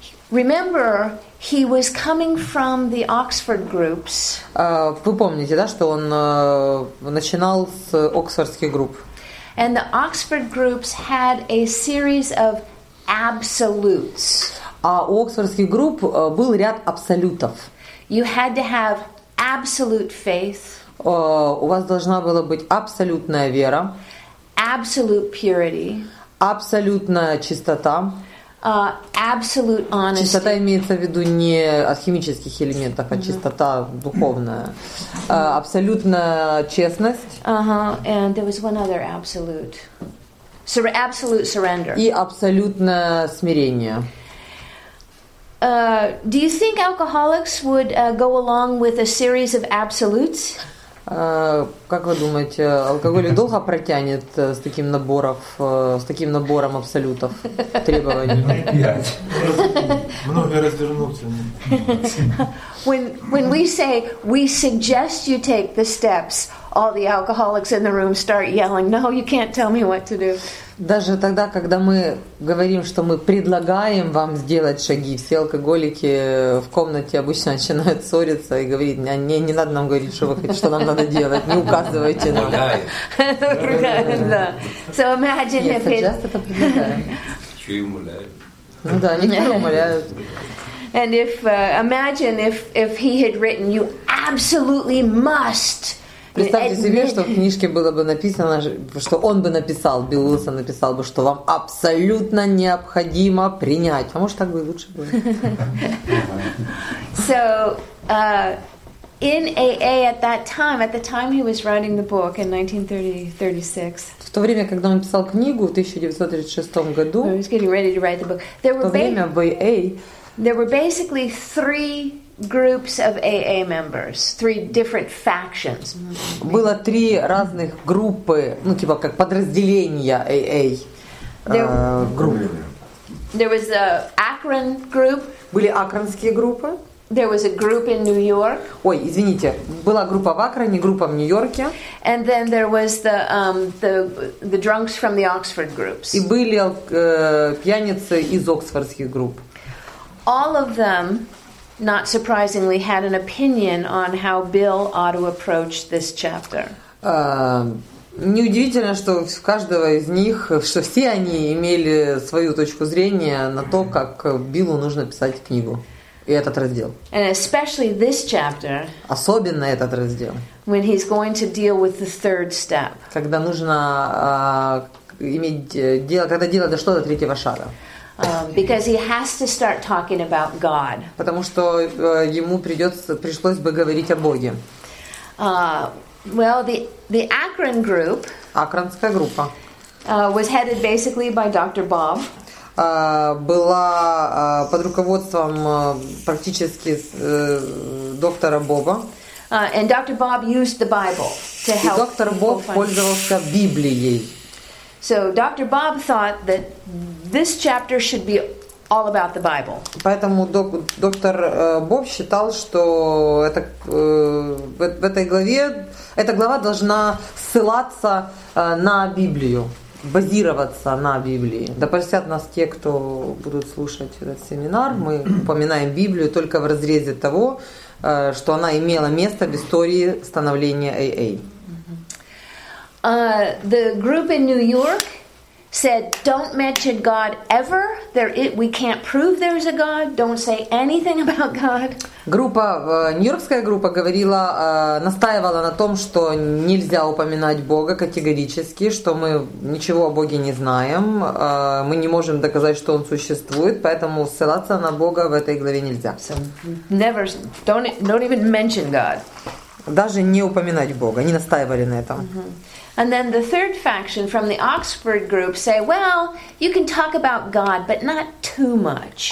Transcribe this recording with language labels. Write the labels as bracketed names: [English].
[English] Remember, he was coming from the Oxford groups. [Russian] Вы помните, да, что он начинал с Оксфордских групп. [English] And the Oxford groups had a series of absolutes. [Russian] А у Оксфордских групп был ряд абсолютов. [English] You had to have absolute faith. [Russian] У вас должна была быть абсолютная вера, [English] absolute purity, [Russian] абсолютная чистота, [English] absolute honesty. [Russian] Чистота имеется в виду не от химических элементов, mm-hmm. а чистота духовная. Абсолютная честность. [English] Uh-huh. And there was one other absolute. Absolute surrender. [Russian] И абсолютное смирение. [English] Do you think alcoholics would go along with a series of absolutes? [Russian] Как вы думаете, алкоголик долго протянет с таким набором абсолютов требований? Много раз вернуться. [English] When we say we suggest you take the steps, all the alcoholics in the room start yelling, "No, you can't tell me what to do." [Russian] Даже тогда, когда мы говорим, что мы предлагаем вам сделать шаги, все алкоголики в комнате обычно начинают ссориться и говорить: "Не, не надо нам говорить, что вы хотите, что нам надо делать, не указывайте нам." Да. [English] So imagine if it's [Russian] Ну да, они не умоляют. [English] And if imagine if he had written, "You absolutely must." [Russian] Представьте себе, что в книжке было бы написано, что он бы написал, Билл Уилсон написал бы, что вам абсолютно необходимо принять. А может, так бы и лучше было. [English] So, in AA at the time he was writing the book in 1936. [Russian] В то время, когда он писал книгу в 1936 году. [English] He was getting ready to write the book. There were basically three groups of AA members, three different factions. [Russian] Было три разных группы, ну типа как подразделения AA. [English] There was a Akron group. [Russian] Были акронские группы. [English] There was a group in New York. [Russian] Ой, извините, была группа в Акроне, группа в Нью-Йорке. [English] And then there was the drunks from the Oxford groups. [Russian] И были пьяницы из оксфордских групп. [English] All of them, not surprisingly, had an opinion on how Bill ought to approach this chapter. [Russian] Неудивительно, что у каждого из них, что все они имели свою точку зрения на то, как Биллу нужно писать книгу и этот раздел. [English] And especially this chapter. [Russian] Особенно этот раздел. [English] When he's going to deal with the third step. [Russian] Когда нужно иметь дело, когда дело дошло до третьего шага. [English] Because he has to start talking about God. [Russian] Потому что ему пришлось бы говорить о Боге. [English] Well, the Akron group. [Russian] Акронская группа. [English] Was headed basically by Dr. Bob. [Russian] Была под руководством практически доктора Боба. [English] And Dr. Bob used the Bible to help. [Russian] И доктор Боб пользовался Библией. [English] So Dr. Bob thought that this chapter should be all about the Bible. [Russian] Поэтому доктор Боб считал, что в этой главе эта глава должна ссылаться на Библию, базироваться на Библии. Да простят нас те, кто будут слушать этот семинар. Мы упоминаем Библию только в разрезе того, что она имела место в истории становления AA. [English] The group in New York said, "Don't mention God ever. We can't prove there's a God. Don't say anything about God." [Russian] Группа, нью-йоркская группа говорила, настаивала на том, что нельзя упоминать Бога категорически, что мы ничего о Боге не знаем, мы не можем доказать, что Он существует, поэтому ссылаться на Бога в этой главе нельзя. [English] So, never, don't even mention God. [Russian] Даже не упоминать Бога, они настаивали на этом. [English] And then the third faction from the Oxford group say, "Well, you can talk about God, but not too much."